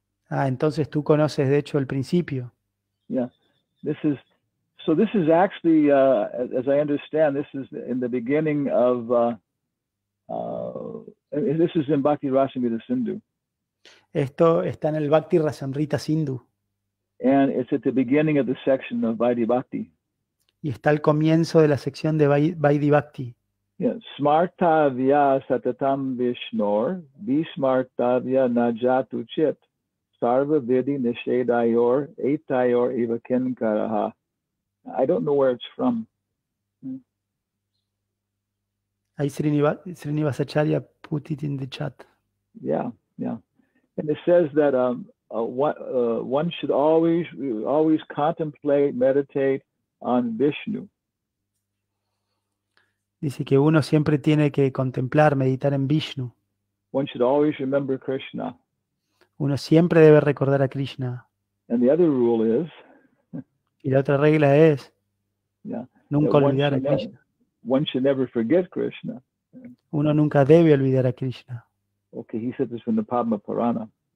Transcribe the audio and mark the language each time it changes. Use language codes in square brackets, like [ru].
[es] Ah, entonces tú conoces de hecho el principio. [en] Yeah. This is actually as I understand, this is in the beginning of this is in Bhakti Rasamrita Sindhu. [es] Esto está en el Bhakti Rasamrita Sindhu. [en] And it's at the beginning of the section of Vaidhi Bhakti. [es] Y está al comienzo de la sección de Vaidhi Bhakti. [sa] Yeah. Smartavya satatam Vishnor, Bismartavya najatu chit. Sarva vidhi nishedayor etayor eva kinkaraha. [en] I don't know where it's from. Ahí Srinivasacharya put it in the chat. Yeah. And it says that one should always contemplate, meditate on Vishnu. [es] Dice que uno siempre tiene que contemplar, meditar en Vishnu. [en] One should always remember Krishna. [es] Uno siempre debe recordar a Krishna. [en] And the other rule is, [es] y la otra regla es nunca olvidar a Krishna. [en] One should never forget Krishna. [es] Uno nunca debe olvidar a Krishna. [en] Okay, he said this from the Padma Purana.